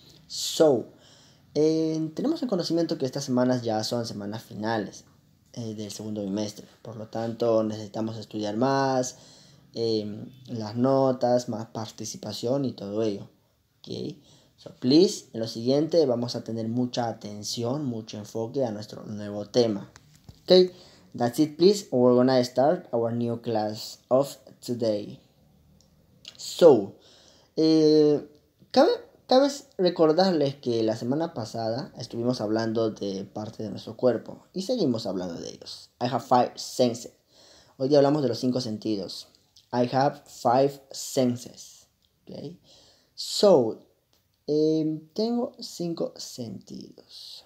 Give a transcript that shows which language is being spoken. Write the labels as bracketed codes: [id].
[es] So, tenemos el conocimiento que estas semanas ya son semanas finales del segundo bimestre, por lo tanto necesitamos estudiar más, las notas, más participación y todo ello, ¿ok? [en] So please, [es] en lo siguiente vamos a tener mucha atención, mucho enfoque a nuestro nuevo tema. [en] Okay, that's it please, we're gonna start our new class of today. [es] So, cabe recordarles que la semana pasada estuvimos hablando de parte de nuestro cuerpo y seguimos hablando de ellos. [en] I have five senses. [es] Hoy día hablamos de los cinco sentidos. [en] I have five senses. Okay, so [es] tengo cinco sentidos.